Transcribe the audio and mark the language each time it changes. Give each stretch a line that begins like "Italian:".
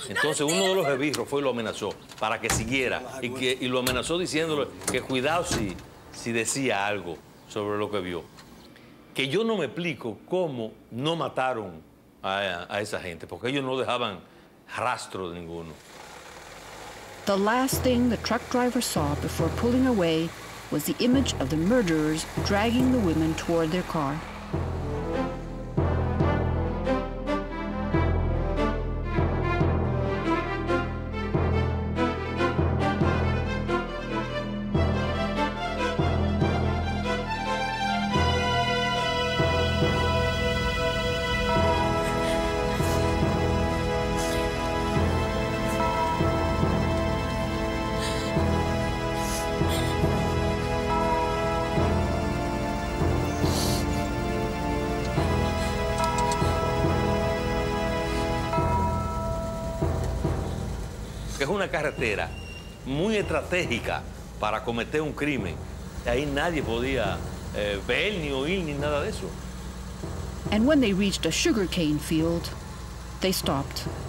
Spanish: Entonces uno de los esbirros fue y lo amenazó para que siguiera. Y lo amenazó diciéndole que cuidado si decía algo sobre lo que vio. Que yo no me explico cómo no mataron a esa gente, porque ellos no dejaban rastro de ninguno.
English: The last thing the truck driver saw before pulling away was the image of the murderers dragging the women toward their car.
Spanish: Carretera muy estratégica para cometer un crimen. Ahí nadie podía ver ni oír ni nada de eso.
English: And when they reached a sugarcane field, they stopped.